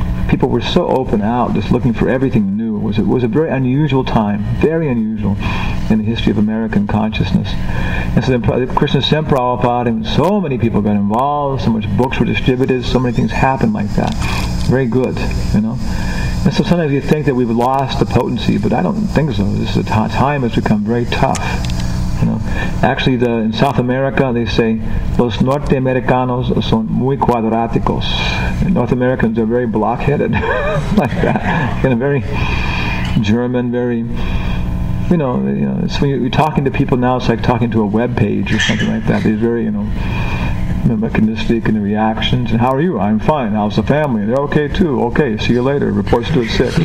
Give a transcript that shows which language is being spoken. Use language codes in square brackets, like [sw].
[en] People were so open out, just looking for everything new. It was a very unusual time, very unusual in the history of American consciousness. And so then Krishna sent Prabhupada, and so many people got involved, so much books were distributed, so many things happened like that. Very good, you know. And so sometimes you think that we've lost the potency, but I don't think so. This is a time has become very tough. You know, actually, in South America, they say, [es] los norteamericanos son muy cuadráticos. [en] North Americans are very blockheaded, like that. You know, very German, very, you know, so when you're talking to people now, it's like talking to a web page or something like that. They're very, you know, mechanistic in the reactions. And how are you? I'm fine. How's the family? They're okay, too. Okay, see you later. Reports to at 6.